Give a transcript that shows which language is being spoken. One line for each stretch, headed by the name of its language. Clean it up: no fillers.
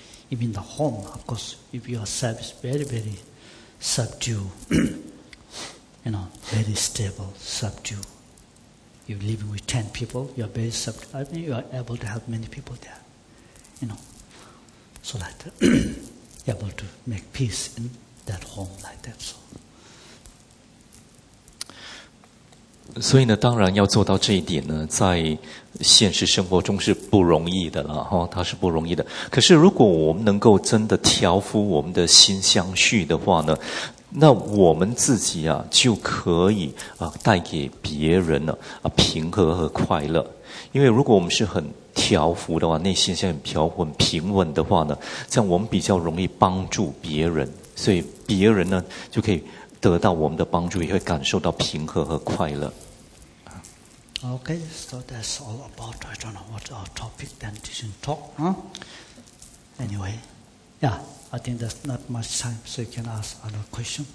English: Even the home, of course, if yourself is very, very subdued, you know, very stable, subdued. You live with 10 people, you are very subdued. I mean, you are able to help many people there, you know. So like that, able to make peace in that home like that. So.
Chinese: 所以呢，当然要做到这一点呢，在现实生活中是不容易的了哈，它是不容易的。可是如果我们能够真的调伏我们的心相续的话呢，那我们自己啊就可以啊带给别人呢 啊平和和快乐。因为如果我们是很调伏的话，内心像很调伏、很平稳的话呢，这样我们比较容易帮助别人，所以别人呢就可以得到我们的帮助，也会感受到平和和快乐。
English: Okay, so that's all about. I don't know what our topic then didn't talk. Anyway, yeah, I think there's not much time, so you can ask another question.